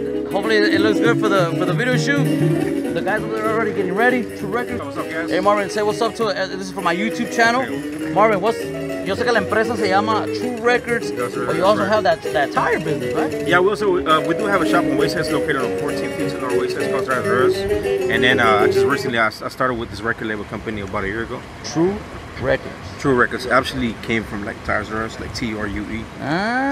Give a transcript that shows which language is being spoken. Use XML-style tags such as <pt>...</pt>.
<en>Hopefully it looks good for the video shoot. The guys over there are already getting ready. True Records. What's up, guys? Hey, Marvin, say what's up to this is for my YouTube channel. Marvin, what's...</en> <es>Yo sé que la empresa se llama True Records.</es> <en>That's right. But you also have that tire business, right? Yeah, we do have a shop in Wayside, located on 14 feet in our Wayside Spots Drive. And then just recently I started with this record label company about a year ago. True Records. True Records actually came from like Tires R Us, like T-R-U-E. Ah.</en>